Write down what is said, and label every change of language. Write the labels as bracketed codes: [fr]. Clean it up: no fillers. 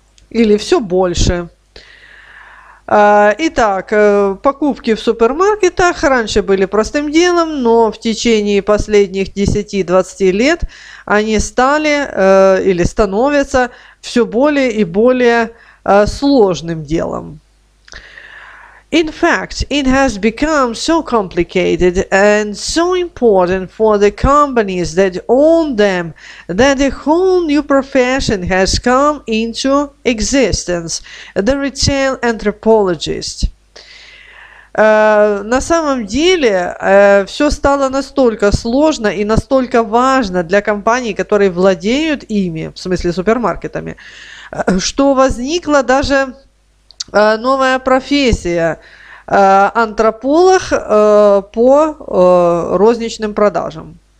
[ru] Или все больше. Итак, покупки в супермаркетах раньше были простым делом, но в течение последних 10-20 лет они стали или становятся все более и более сложным делом. [en] In fact, it has become so complicated and so important for the companies that own them that a whole new profession has come into existence – the retail anthropologist. [ru] На самом деле, все стало настолько сложно и настолько важно для компаний, которые владеют ими, в смысле супермаркетами, что возникло даже новая профессия антрополог по розничным продажам.